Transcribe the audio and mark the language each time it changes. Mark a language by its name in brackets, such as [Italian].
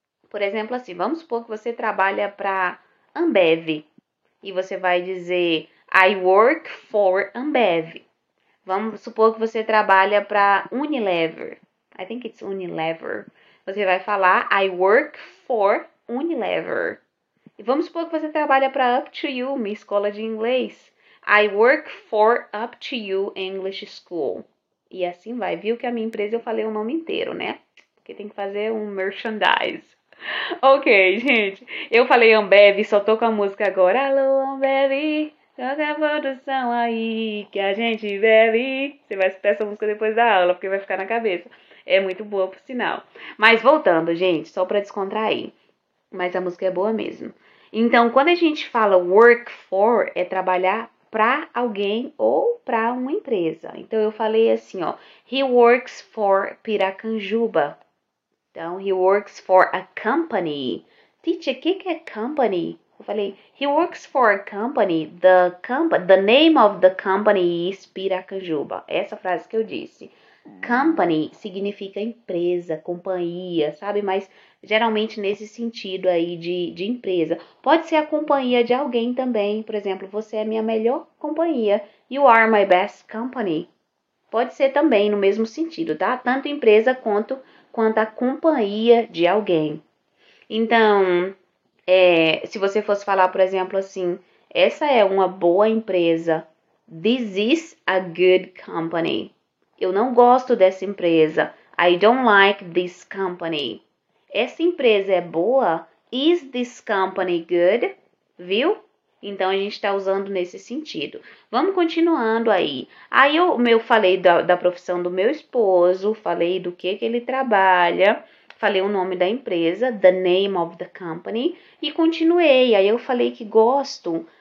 [Portuguese] Por exemplo, assim, vamos supor que você trabalha para Ambev e você vai dizer [English] I work for Ambev. [Portuguese] Vamos supor que você trabalha para Unilever. [English] I think it's Unilever. [Portuguese] Você vai falar [English] I work for Unilever. [Portuguese] Vamos supor que você trabalha para Up to You, minha escola de inglês. [English] I work for Up to You English School. [Portuguese] E assim vai. Viu que a minha empresa eu falei o nome inteiro, né? Porque tem que fazer um merchandise. Ok, gente. Eu falei Ambev, só tô com a música agora. Alô, Ambev, toca a produção aí que a gente bebe. Você vai escutar essa música depois da aula, porque vai ficar na cabeça. É muito boa, por sinal. Mas voltando, gente, só para descontrair. Mas a música é boa mesmo. Então, quando a gente fala work for, é trabalhar para alguém ou para uma empresa. Então eu falei assim, ó, [English] he works for Piracanjuba. Então he works for a company. Teacher, [Portuguese] o que é [English] company? [Portuguese] Eu falei, [English] he works for a company. The name of the company is Piracanjuba. [Portuguese] Essa frase que eu disse. Company significa empresa, companhia, sabe? Mas geralmente nesse sentido aí de empresa. Pode ser a companhia de alguém também. Por exemplo, você é minha melhor companhia. [English] You are my best company. [Portuguese] Pode ser também no mesmo sentido, tá? Tanto empresa quanto a companhia de alguém. Então, se você fosse falar, por exemplo, assim, essa é uma boa empresa. [English] This is a good company. [Portuguese] Eu não gosto dessa empresa. [English] I don't like this company. [Portuguese] Essa empresa é boa? [English] Is this company good? [Portuguese] Viu? Então a gente está usando nesse sentido. Vamos continuando aí. Aí eu meu falei da profissão do meu esposo, falei do que ele trabalha, falei o nome da empresa, [English] the name of the company, [Portuguese] e continuei. Aí eu falei que gosto.